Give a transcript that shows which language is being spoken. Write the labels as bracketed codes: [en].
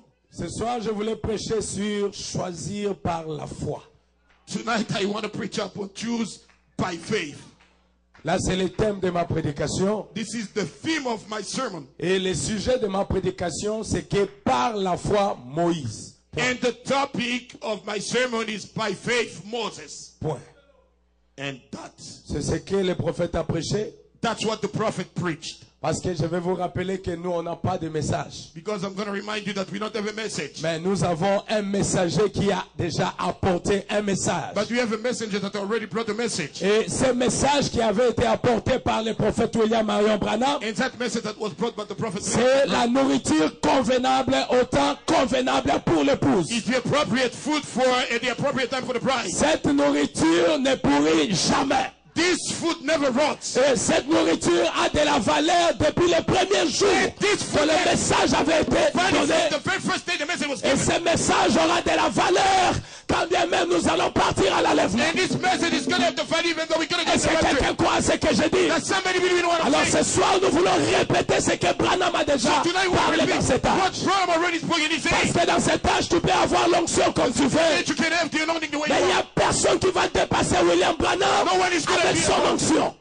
[fr] Ce soir, je voulais prêcher sur choisir par la foi. [en] Tonight, I want to preach upon choose by faith. [fr] Là, c'est le thème de ma prédication. [en] This is the theme of my sermon. [fr] Et le sujet de ma prédication, c'est que par la foi, Moïse. Point. [en] And the topic of my sermon is by faith, Moses. Point. And that. [fr] C'est ce que le prophète a prêché. [en] That's what the prophet preached. [fr] Parce que je vais vous rappeler que nous, on n'a pas de message. [en] Because I'm going to remind you that we don't have a message. [fr] Mais nous avons un messager qui a déjà apporté un message. [en] But we have a messenger that already brought a message. [fr] Et ce message qui avait été apporté par le prophète William Marion Branham, [en] and that message that was brought by the prophet, [fr] c'est la nourriture convenable au temps convenable pour l'épouse. [en] It's the appropriate food for and the appropriate time for the bride. [fr] Cette nourriture ne pourrit jamais. [en] This food never rots. [fr] Et cette nourriture a de la valeur depuis les premiers jours. [en] And this food [fr] que le message avait été donné. [en] The very first day the message was given. [fr] Et ce message aura de la valeur quand bien même nous allons partir à l'enlèvement. [en] And this message is going to have the value even though we're going to get the rapture. [fr] Est-ce que quelqu'un croit ce que je dis? [en] That somebody believe in what I'm [fr] alors [en] saying. [fr] Ce soir nous voulons répéter ce que Branham a déjà [en] so tonight [fr] parlé [en] we'll [fr] dans cet âge. [en] What Branham already spoke in his [fr] parce que dans cet âge tu peux avoir l'onction comme tu veux. [en] You can have the anointing the way [fr] mais il n'y a personne qui va dépasser William Branham. [en] No one is going [fr] avec son onction.